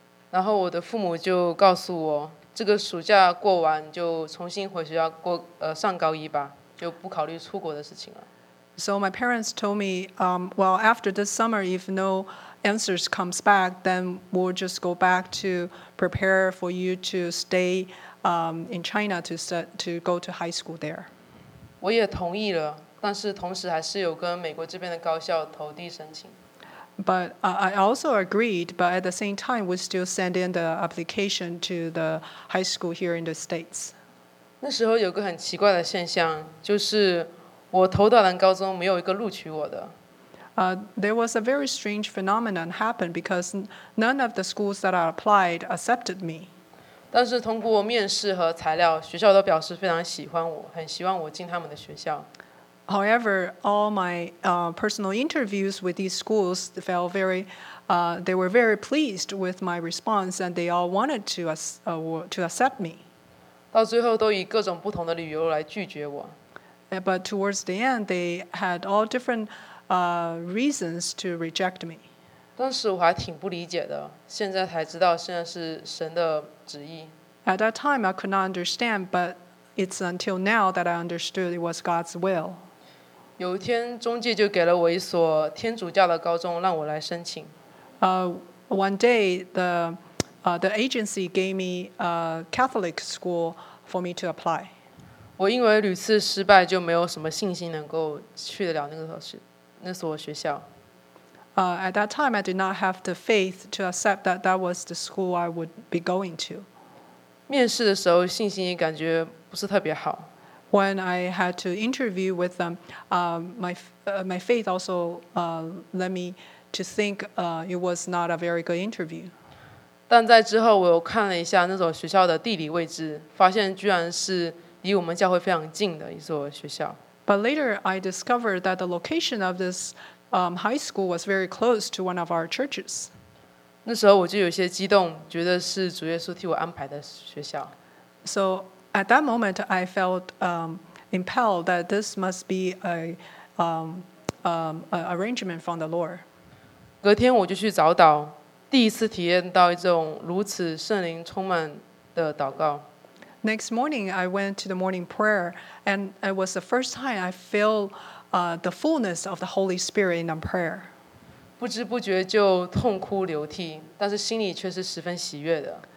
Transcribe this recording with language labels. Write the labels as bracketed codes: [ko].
[zh] 然后我的父母就告诉我，这个暑假过完就重新回学校过上高一吧，就不考虑出国的事情了。 [en] So my parents told me, well, after this summer, if no answers comes back, then we'll just go back to prepare for you to stay in China to go to high school there. [zh] 我也同意了，但是同时还是有跟美国这边的高校投递申请。 [en] But I also agreed, but at the same time, we still send in the application to the high school here in the States. [zh] 那时候有个很奇怪的现象，就是我投到的高中没有一个录取我的。 [en] There was a very strange phenomenon happened because none of the schools that I applied accepted me. [zh] 但是通过面试和材料，学校都表示非常喜欢我，很希望我进他们的学校。 [en] However, all my personal interviews with these schools felt they were very pleased with my response, and they all wanted to accept me. [zh] 到最后都以各种不同的理由来拒绝我。 [en] But towards the end, they had all different reasons to reject me. [zh] 当时我还挺不理解的，现在才知道现在是神的旨意。 [en] At that time, I could not understand, but it's until now that I understood it was God's will. [zh] 有一天，中介就给了我一所天主教的高中，让我来申请。 [en] One day, the agency gave me a Catholic school for me to apply. [zh] 我因为屡次失败，就没有什么信心能够去得了那所学校。 [en] At that time, I did not have the faith to accept that was the school I would be going to. [zh] 面试的时候，信心也感觉不是特别好。 [en] When I had to interview with them, my faith also led me to think it was not a very good interview. [zh] 但在之后，我又看了一下那所学校的地理位置，发现居然是。离我们教会非常近的一所学校。 [en] But later, I discovered that the location of this high school was very close to one of our churches. [zh] 那时候我就有些激动，觉得是主耶稣替我安排的学校。 [en] So at that moment, I felt impelled that this must be an arrangement from the Lord. [zh] 隔天我就去早祷，第一次体验到一种如此圣灵充满的祷告。 [en] Next morning, I went to the morning prayer, and it was the first time I feel the fullness of the Holy Spirit in a prayer. [zh] 不知不觉就痛哭流涕，但是心里却是十分喜悦的。